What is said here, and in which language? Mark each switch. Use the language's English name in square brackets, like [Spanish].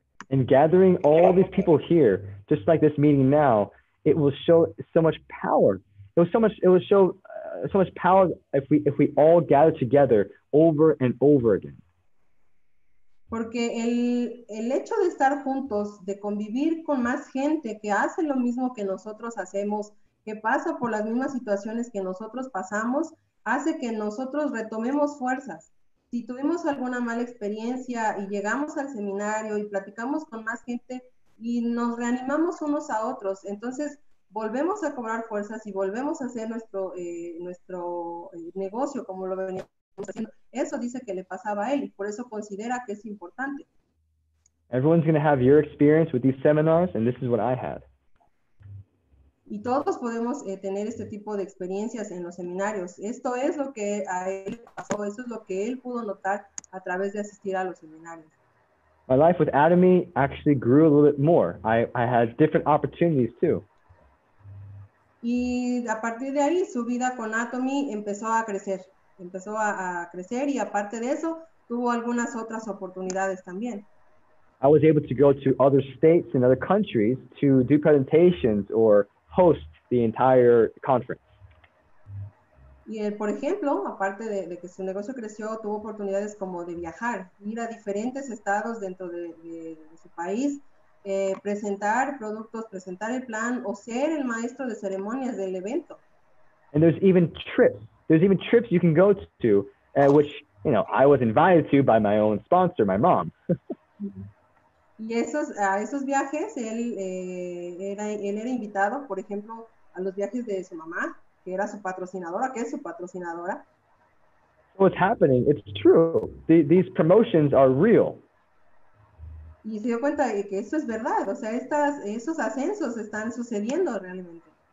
[English] And gathering all these people here, just like this meeting now, it will show so much power. So much power if we all gather together over and over again. [Spanish] Porque el hecho de estar juntos, de convivir con más gente que hace lo mismo que nosotros hacemos, que pasa por las mismas situaciones que nosotros pasamos, hace que nosotros retomemos fuerzas. Si tuvimos alguna mala experiencia y llegamos al seminario y platicamos con más gente y nos reanimamos unos a otros, entonces volvemos a cobrar fuerzas y volvemos a hacer nuestro negocio como lo veníamos haciendo. Eso dice que le pasaba a él y por eso considera que es importante. [English] Everyone's going to have your experience with these seminars, and this is what I had. [Spanish] Y todos podemos tener este tipo de experiencias en los seminarios. Esto es lo que a él pasó, eso es lo que él pudo notar a través de asistir a los seminarios. [English] My life with Atomy actually grew a little bit more. I had different opportunities too. [Spanish] Y a partir de ahí, su vida con Atomy empezó a crecer. Empezó a crecer y aparte de eso, tuvo algunas otras oportunidades también. [English] I was able to go to other states and other countries to do presentations or host the entire conference. [Spanish] Y él, por ejemplo, aparte de que su negocio creció, tuvo oportunidades como de viajar, ir a diferentes estados dentro de su país, presentar productos, presentar el plan, o ser el maestro de ceremonias del evento. [English] And there's even trips you can go to which, you know, I was invited to by my own sponsor, my mom. [Spanish] Y esos, a esos viajes, él, él era invitado, por ejemplo, a los viajes de su mamá, que era su patrocinadora, que es su patrocinadora. [English] What's happening? It's true. These promotions are real. [Spanish] Y se dio cuenta de que eso es verdad. O sea, estas, esos ascensos están sucediendo realmente.